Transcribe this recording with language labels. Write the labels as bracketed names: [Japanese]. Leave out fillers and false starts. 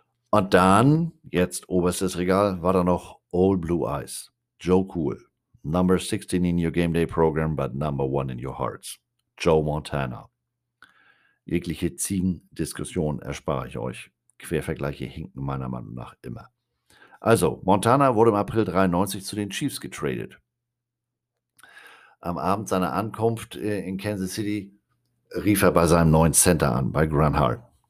[German] Und dann, jetzt oberstes Regal, war da noch [English] Old Blue Eyes. [German] Joe Cool. [English] Number 16 in your game day program, but number one in your hearts. Joe Montana. [German] Jegliche Ziegendiskussion erspare ich euch. Quervergleiche hinken meiner Meinung nach immer. Also, Montana wurde im April 93 zu den Chiefs getradet. Am Abend seiner Ankunft in Kansas City rief er bei seinem neuen Center an, bei Granhart.